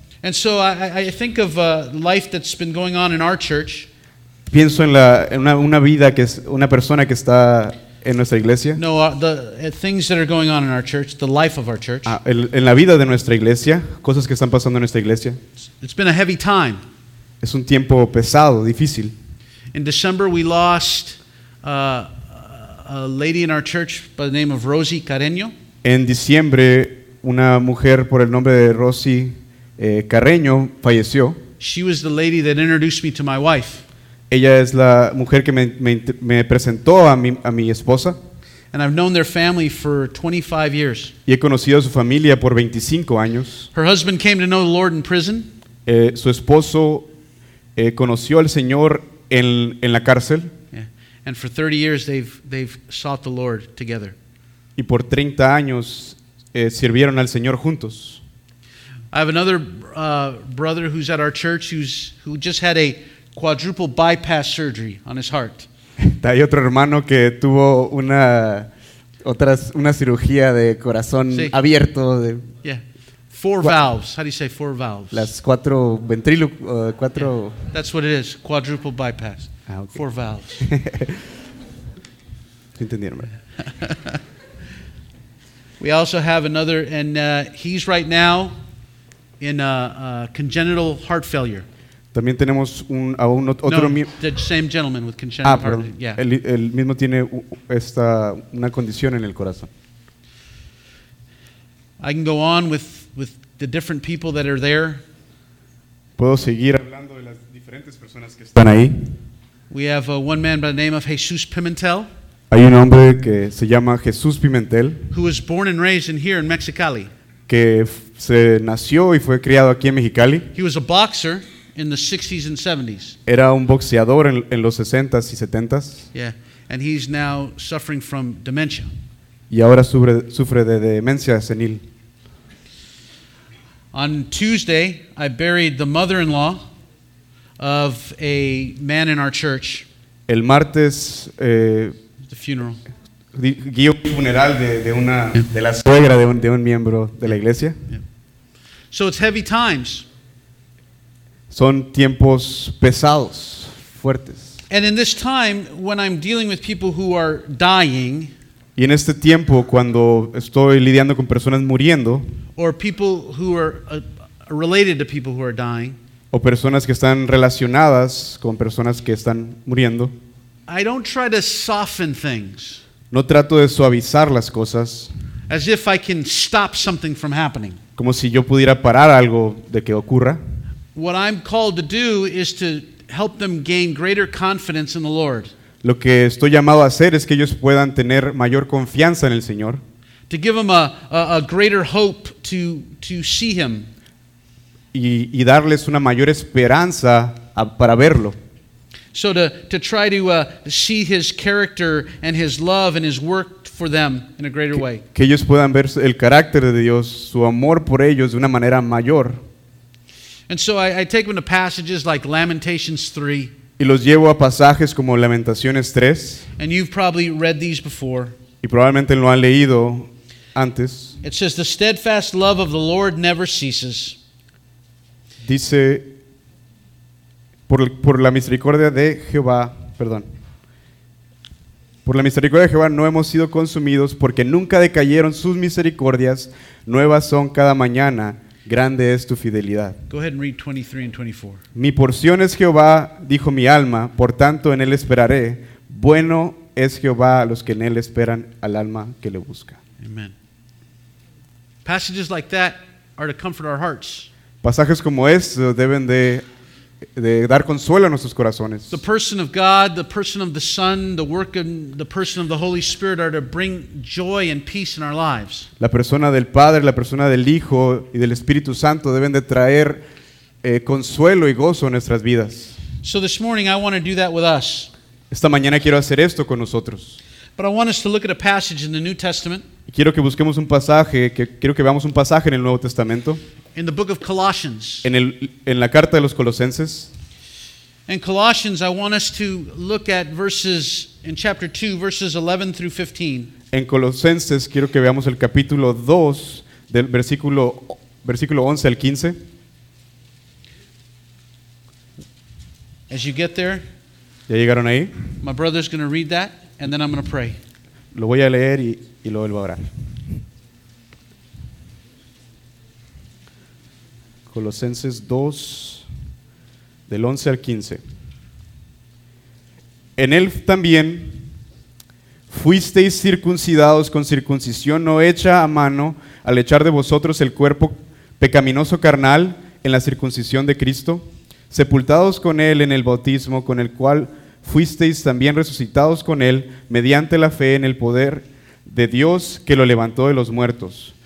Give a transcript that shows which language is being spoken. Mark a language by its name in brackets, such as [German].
[English] And so I think of life that's been going on in our church. [Spanish] Pienso en una vida que es una persona que está en nuestra iglesia. [English] No, the things that are going on in our church, the life of our church. [Spanish] En la vida de nuestra iglesia, cosas que están pasando en nuestra iglesia. [English] It's been a heavy time. [Spanish] Es un tiempo pesado, difícil. [English] In December we lost a lady in our church by the name of Rosy Carreño. [Spanish] En diciembre una mujer por el nombre de Rosy Carreño falleció. [English] She was the lady that introduced me to my wife. [Spanish] Ella es la mujer que me presentó a mi esposa. [English] And I've known their family for 25 years. [Spanish] Y he conocido a su familia por 25 años. [English] Her husband came to know the Lord in prison. [Spanish] Su esposo conoció al Señor en la cárcel. Yeah. [English] And for 30 years they've sought the Lord together. [Spanish] Y por 30 años sirvieron al Señor juntos. [English] I have another brother who's at our church who just had a quadruple bypass surgery on his heart. [Spanish] Hay otro hermano que tuvo una una cirugía de corazón sí. abierto. De, [English] Four valves. How do you say four valves? [Spanish] Las cuatro cuatro. [English] Yeah. That's what it is. Quadruple bypass. Ah, okay. Four valves. [Spanish] Entendieron. [English] We also have another, and he's right now in a congenital heart failure. [Spanish] También tenemos [English] the same gentleman with congenital heart failure. Yeah. [Spanish] El mismo tiene una condición en el corazón. [English] I can go on with the different people that are there. [Spanish] Puedo seguir hablando de las diferentes personas que están ahí. [English] We have one man by the name of Jesús Pimentel. [Spanish] Hay un hombre que se llama Jesús Pimentel. [English] Who was born and raised in here in Mexicali. [Spanish] Que se nació y fue criado aquí en Mexicali. [English] He was a boxer in the 60s and 70s. [Spanish] Era un boxeador en los 60s y 70s. [English] Yeah, and he's now suffering from dementia. [Spanish] Y ahora sufre de demencia senil. [English] On Tuesday, I buried the mother-in-law of a man in our church. [Spanish] El martes [English] the funeral. [Spanish] Guió el funeral de la suegra de un miembro de la iglesia. [English] Yeah. So it's heavy times. [Spanish] Son tiempos pesados, fuertes. [English] And in this time when I'm dealing with people who are dying, [Spanish] y en este tiempo cuando estoy lidiando con personas muriendo, [English] or people who are related to people who are dying, [Spanish] o personas que están relacionadas con personas que están muriendo, [English] I don't try to soften things. [Spanish] No trato de suavizar las cosas. [English] As if I can stop something from happening. [Spanish] Como si yo pudiera parar algo de que ocurra. [English] What I'm called to do is to help them gain greater confidence in the Lord. [Spanish] Lo que estoy llamado a hacer es que ellos puedan tener mayor confianza en el Señor. [English] To give them a greater hope to see him. [Spanish] Y darles una mayor esperanza para verlo. [English] So to try to see his character and his love and his work for them in a greater way. [Spanish] Que ellos puedan ver el carácter de Dios, su amor por ellos de una manera mayor. [English] And so I take them to passages like Lamentations 3. [Spanish] Y los llevo a pasajes como Lamentaciones 3. [English] And you've probably read these before. [Spanish] Y probablemente lo han leído antes. [English] It says, "The steadfast love of the Lord never ceases." [Spanish] Dice, por la misericordia de Jehová, perdón. Por la misericordia de Jehová no hemos sido consumidos, porque nunca decayeron sus misericordias. Nuevas son cada mañana. Grande es tu fidelidad. [English] Go ahead and read 23 and 24. [Spanish] Mi porción es Jehová, dijo mi alma, por tanto en él esperaré. Bueno es Jehová a los que en él esperan, al alma que le busca. Amen. [English] Passages like that are to comfort our hearts. [Spanish] Pasajes como estos deben de dar consuelo a nuestros corazones. [English] The person of God, the person of the Son, the work of the person of the Holy Spirit are to bring joy and peace in our lives. [Spanish] La persona del Padre, la persona del Hijo y del Espíritu Santo deben de traer consuelo y gozo a nuestras vidas. [English] So this morning I want to do that with us. [Spanish] Esta mañana quiero hacer esto con nosotros. [English] But I want us to look at a passage in the New Testament. [Spanish] Quiero que busquemos un pasaje, quiero que veamos un pasaje en el Nuevo Testamento. [English] In the book of Colossians. [Spanish] En la carta de los Colosenses. [English] In Colossians, I want us to look at verses in chapter 2, verses 11 through 15. [Spanish] En Colosenses quiero que veamos el capítulo 2 del versículo 11 al 15. [English] As you get there. [Spanish] ¿Ya llegaron ahí? [English] My brother's going to read that and then I'm going to pray. [Spanish] Lo voy a leer y lo vuelvo a orar. Colosenses 2, del 11 al 15. En él también fuisteis circuncidados con circuncisión no hecha a mano, al echar de vosotros el cuerpo pecaminoso carnal en la circuncisión de Cristo, sepultados con él en el bautismo, con el cual fuisteis también resucitados con él mediante la fe en el poder de Dios que lo levantó de los muertos.